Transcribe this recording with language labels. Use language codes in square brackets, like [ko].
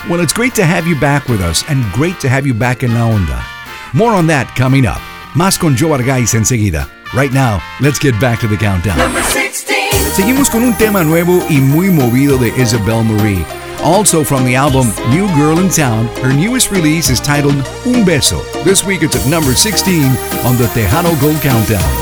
[en] Well, it's great to have you back with us and great to have you back in La Onda. More on that coming up. [es] Más con Joe Argaiz enseguida. [en] Right now, let's get back to the countdown. Number 16. [es] Seguimos con un tema nuevo y muy movido de Isabel Marie. [en] Also from the album New Girl in Town, her newest release is titled Un Beso. This week it's at number 16 on the Tejano Gold Countdown.